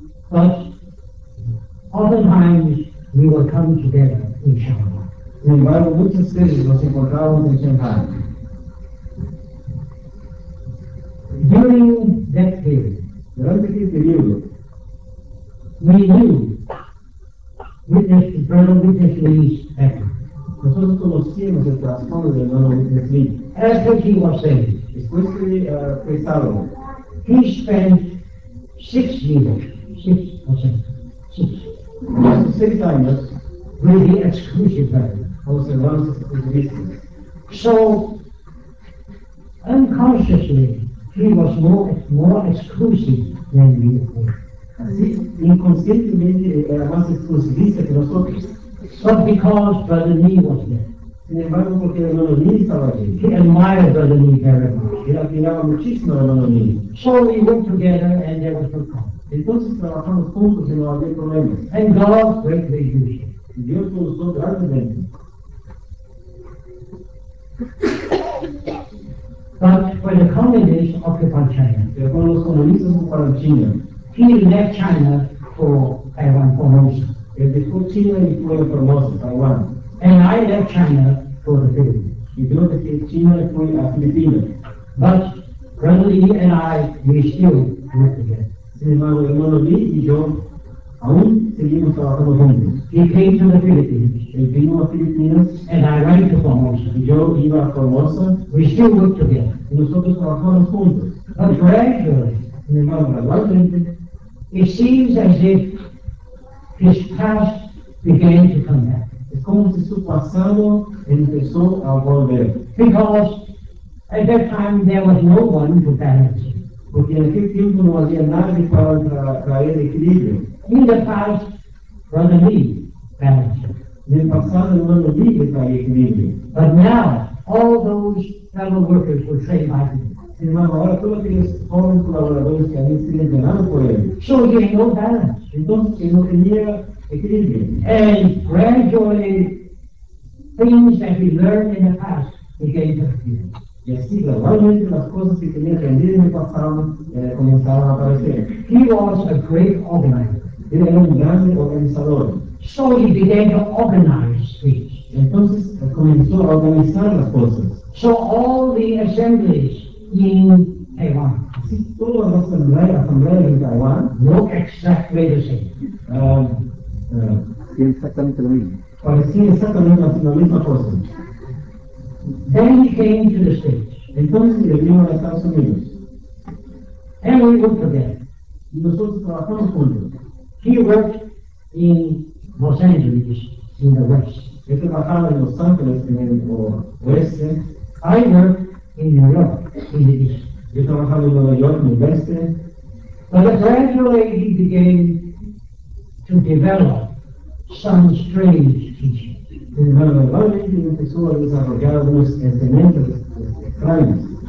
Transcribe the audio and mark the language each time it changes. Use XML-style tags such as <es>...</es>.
<en>But oftentimes we were coming together in Shanghai.</en> <es>Sin embargo, muchas veces nos encontrábamos en Shanghai.</es> <en>During that period,</en> <es>durante ese periodo,</es> <en>we knew Witness Brother Witness Lee's effort.</en> <es>Nosotros conocíamos el trasfondo del hermano Witness Lee.</es> <en>After he was saved,</en> <es>después que fue salvo,</es> <en>he spent 6 years, 6 or 7 years. Really exclusive value. So, unconsciously, he was more exclusive than we were.</en> <es>Inconscientemente, era más exclusivista que nosotros.</es> <en>But because Brother Lee was there.</en> <es>Sin embargo, porque el hermano Lee estaba allí.</es> <en>He admired Brother Lee very much.</en> <es>Él admiraba muchísimo al hermano Lee.</es> <en>So we went together and there was no problem.</en> <es>Entonces trabajamos juntos y no había problemas.</es> <en>And God greatly used him.</en> <es>Y Dios lo usó grandemente.</es> <en>But when the communists occupied China,</en> <es>pero cuando los comunistas ocuparon China,</es> <en>he left China for Taiwan, Formosa.</en> <es>Él dejó China y fue a Formosa, Taiwan.</es> <en>And I left China for the Philippines.</en> <es>Y yo dejé China y fui a Filipinas.</es> <en>But Brother Lee and I, we still met together.</en> <es>Sin embargo, el hermano Lee y yo aún seguimos trabajando juntos.</es> <en>He came to the Philippines.</en> <es>Él vino a Filipinas.</es> <en>And I went to Formosa.</en> <es>Y yo iba a Formosa.</es> <en>We still worked together.</en> <es>Y nosotros trabajamos juntos.</es> <en>But gradually,</en> <es>sin embargo, gradualmente,</es> <en>it seems as if his past began to come back.</en> <es>Es como si su pasado empezó a volver.</es> <en>Because at that time there was no one to balance him.</en> <es>Porque en aquel tiempo no había nadie para traer equilibrio.</es> <en>In the past, Brother Lee balanced him.</en> <es>En el pasado, Brother Lee traía equilibrio.</es> <en>But now, all those fellow workers were trained by him.</en> <es>Sin embargo, ahora todos aquellos jóvenes colaboradores que habían sido entrenados por él.</es> <en>So he had no balance.</en> <es>Entonces, él no tenía equilibrio.</es> <en>And gradually, things that he learned in the past began to appear.</en> <es>Y así, gradualmente, las cosas que tenía aprendido en el pasado comenzaron a aparecer.</es> <en>He was a great organizer.</en> <es>Él era un gran organizador.</es> <en>So he began to organize things.</en> <es>Entonces, comenzó a organizar las cosas.</es> <en>So all the assemblies in Taiwan.</en> <es>Así, todas las asambleas en Taiwan.</es> <en>Look exactly the same.</en> <es>Exactamente lo mismo. Parecía exactamente la misma cosa.</es> <en>Then he came to the States.</en> <es>Entonces, él vino a Estados Unidos.</es> <en>And we worked for them.</en> <es>Y nosotros trabajamos con ellos.</es> <en>He worked in Los Angeles, in the West.</en> <es>Yo trabajaba en Los Ángeles, en el oeste.</es> <en>I worked in New York, in the East.</en> <es>Yo trabajaba en Nueva York, en el oeste.</es> <en>But gradually he began to develop some strange teaching.</en> <es>Pero gradualmente empezó a desarrollar algunos enseñanzas extrañas.</es>